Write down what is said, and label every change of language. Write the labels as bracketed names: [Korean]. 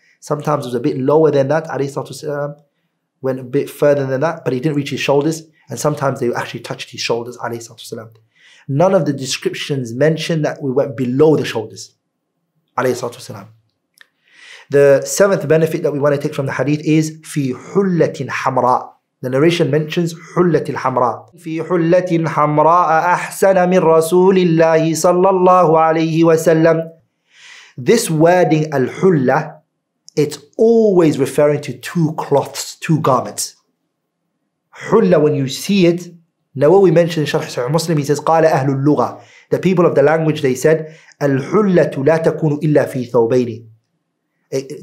[English] Sometimes it was a bit lower than that, alayhi salatu wasalam. Went a bit further than that, but he didn't reach his shoulders. And sometimes they actually touched his shoulders, alayhi salatu wasalam. None of the descriptions mention that we went below the shoulders, alayhi salatu wasalam. The seventh benefit that we want to take from the hadith is [Arabic] في حلة حمراء. [English] The narration mentions [Arabic] حلة الحمراء. في حلة حمراء أحسن من رسول الله صلى الله عليه وسلم. [English] This wording الحلة, it's always referring to two cloths, two garments. حلة, when you see it, Nawawi mentioned in شرح صحيح مسلم, he says [Arabic] قال أهل اللغة, [English] the people of the language, they said [Arabic] الحلة لا تكون إلا في ثوبين.